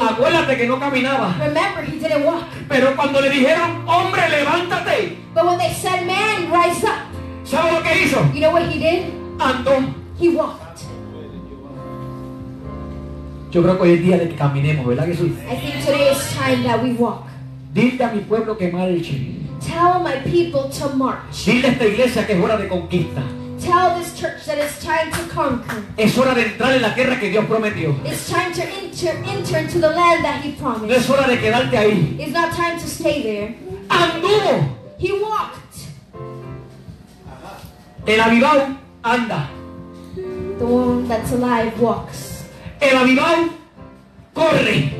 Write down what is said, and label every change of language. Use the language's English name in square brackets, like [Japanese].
[Spanish] Acuérdate que no caminaba. [English] Remember, he didn't walk. [Spanish] Pero cuando le dijeron, hombre, levántate. [English] But when they said, man, rise up. [Spanish] ¿Sabes lo que hizo? [English] You know what he did? [Spanish] Andó. [English] He walked. [Spanish] Yo creo que hoy es día de que caminemos, ¿verdad, Jesús? [English] I think today is time that we walk. [Spanish] Dile a mi pueblo que marche. [English] Tell my people to march. [Spanish] Dile a esta iglesia que es hora de conquista. [English] Tell this church that it's time to conquer. [Spanish] Es hora de entrar en la tierra que Dios prometió. [English] It's time to enter into the land that he promised. [Spanish] No es hora de quedarte ahí. [English] It's not time to stay there. [Spanish] Anduvo. [English] He walked. [Spanish] El avivado anda. [English] The one that's alive walks. [Spanish] El avivado corre.